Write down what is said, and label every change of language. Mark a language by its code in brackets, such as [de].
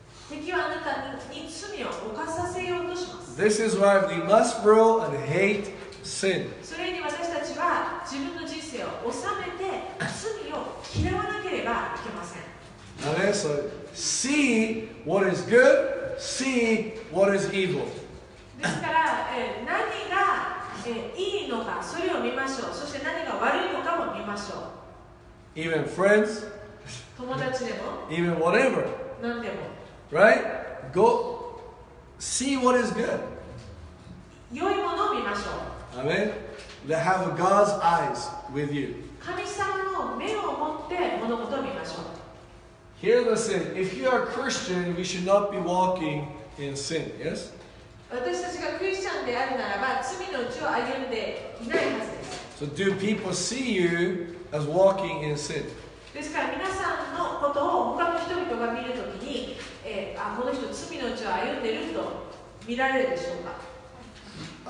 [en] This is why we must grow and hate sin. [ja] それに私たちは自分の人生を収めて罪を嫌わなければいけません。なので、 [en] so see what is good, see what is evil. [ja] ですから、何が、いいのか、それを見ましょう。そして何が悪いのかも見ましょう。 [en] Even friends, [ja] 友達でも、 [en] even whatever, [ja] 何でも、 [en] right? Go see what is good. [ja] 良いものを見ましょう。 [en] Amen. They have God's eyes with you. [ja] 神様の目を持って物事を見ましょう。 [en] Here, listen. If you are Christian, we should not be walking in sin. Yes? [ja] 私たちがクリスチャンであるならば、罪の道を歩んでいないはずです。 [en] So do people see you as walking in sin? [ja] ですから皆さんのことを他の人々が見るときに、この人罪の道を歩んでいると見られるでしょうか？